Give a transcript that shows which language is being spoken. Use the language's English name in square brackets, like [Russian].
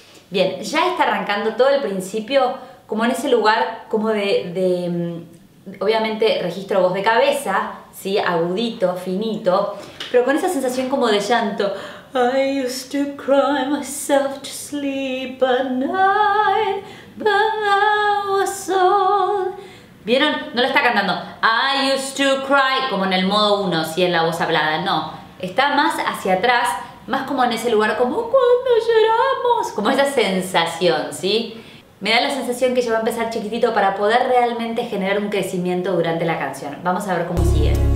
[Spanish] Bien, ya está arrancando todo el principio como en ese lugar como de obviamente registro voz de cabeza, ¿sí? Agudito, finito, pero con esa sensación como de llanto. [English] I used to cry myself to sleep at night, but I was old. [Spanish] ¿Vieron? No lo está cantando. [English] I used to cry, [Spanish] como en el modo 1, ¿sí? En la voz hablada. No, está más hacia atrás. Más como en ese lugar, como cuando lloramos, como esa sensación, ¿sí? Me da la sensación que ya va a empezar chiquitito para poder realmente generar un crecimiento durante la canción. Vamos a ver cómo sigue.